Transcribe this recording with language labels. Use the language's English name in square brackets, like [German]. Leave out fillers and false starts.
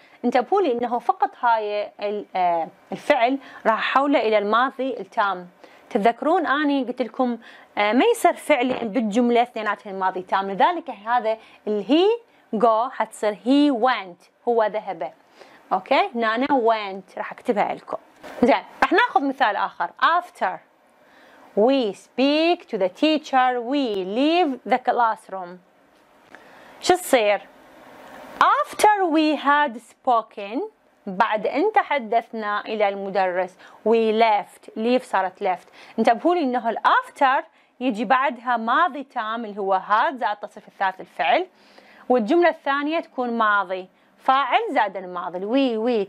[Arabic] انت بقولي انه فقط هاي الفعل راح حوله الى الماضي التام. تذكرون اني قلت لكم ما يصير فعل بالجمله اثنيناتها الماضي تام، لذلك هذا اللي هي [English] go [Arabic] حتصير [English] he went، [Arabic] هو ذهب. اوكي نانا [English] went [Arabic] راح اكتبها لكم. زين راح ناخذ مثال اخر. [English] after we speak to the teacher we leave the classroom. [Arabic] شو تصير؟ [English] After we had spoken، [Arabic] بعد أن تحدثنا إلى المدرس، [English] we left، leave [Arabic] صارت [English] left. [Arabic] أنت بقولي إنه الـ [English] after [Arabic] يجي بعدها ماضي تام اللي هو [English] had [Arabic] زائد التصريف الثالث الفعل، والجملة الثانية تكون ماضي فاعل زائد الماضي.